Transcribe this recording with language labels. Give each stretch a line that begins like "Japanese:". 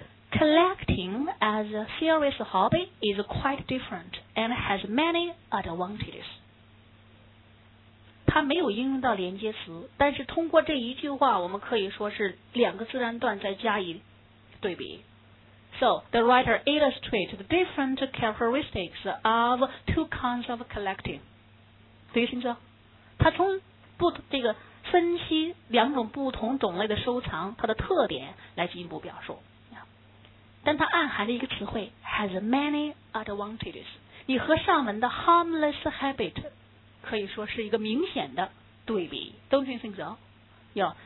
English: Collecting as a serious hobby is quite different and has many advantages.
Chinese: 它没有应用到连接词，但是通过这一句话，我们可以说是两个自然段再加以对比。
English: So, the writer illustrates the different characteristics of two kinds of collecting. Do you think so?
Chinese: 他从不这个分析两种不同种类的收藏它的特点来进一步表述。但它暗含的一个词汇
English: has many advantages.
Chinese: 你和上文的 harmless habit 可以说是一个明显的对比。
English: Don't you think so? Yeah.